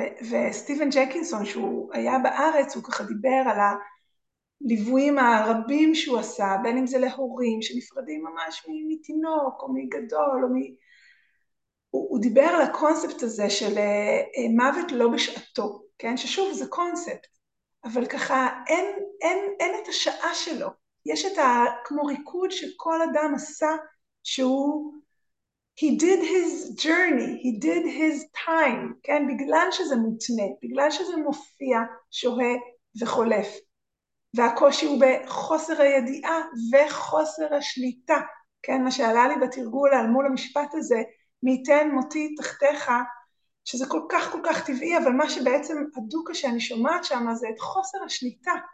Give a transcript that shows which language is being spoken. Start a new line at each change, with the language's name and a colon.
Hebrew: וסטיבן ג'קינסון, שהוא היה בארץ, הוא ככה דיבר על הליוויים הרבים שהוא עשה, בין אם זה להורים שנפרדים ממש מתינוק או מגדול, או הוא דיבר על הקונספט הזה של מוות לא בשעתו, כן? ששוב, זה קונספט. אבל ככה, אין את השעה שלו. יש את כמו ריקוד שכל אדם עשה שהוא...
English: He did his journey, he did his time, כן?
Hebrew: בגלל שזה מותנה, בגלל שזה מופיע, שוהה וחולף. והקושי הוא בחוסר הידיעה וחוסר השליטה, כן? מה שעלה לי בתרגול על מול המשפט הזה, מי יתן מותי תחתיך, שזה כל כך כל כך טבעי, אבל מה שבעצם הדוקה שאני שומעת שם זה את חוסר השליטה.